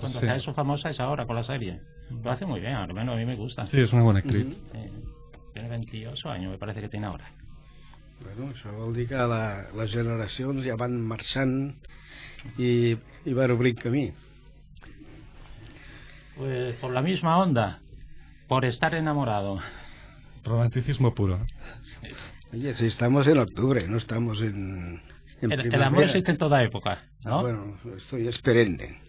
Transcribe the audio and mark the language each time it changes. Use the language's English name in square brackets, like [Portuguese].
[Spanish] Cuando sea eso famosa es ahora con la serie. Lo hace muy bien, al menos a mí me gusta. Sí, es una buena actriz. Mm-hmm. Sí. Tiene 28 años, me parece que tiene ahora. [Catalan] Bueno, això vol dir que les generacions ja van marxant i van obrint camí. [Spanish] Pues por la misma onda, por estar enamorado. Romanticismo puro. Oye, si estamos en octubre, no estamos en primavera. El amor existe en toda época, ¿no? Ah, bueno, estoy esperando.